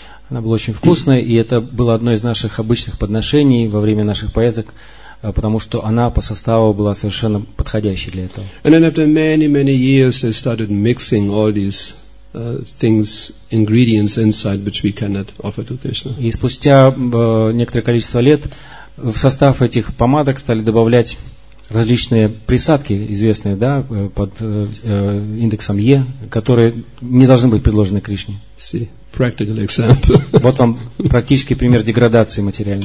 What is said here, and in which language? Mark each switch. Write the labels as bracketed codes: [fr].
[ru] Она была очень вкусной, и это было одно из наших обычных подношений во время наших поездок, потому что она по составу была совершенно подходящей для этого. [en] And then after many, many years, they started mixing all these things, ingredients inside which we cannot offer to Krishna. [ru] И спустя некоторое количество лет в состав этих помадок стали добавлять различные присадки, известные, да, под индексом Е, которые не должны быть предложены Кришне. [en] See, practical example. [ru] Вот вам практический пример деградации материальной.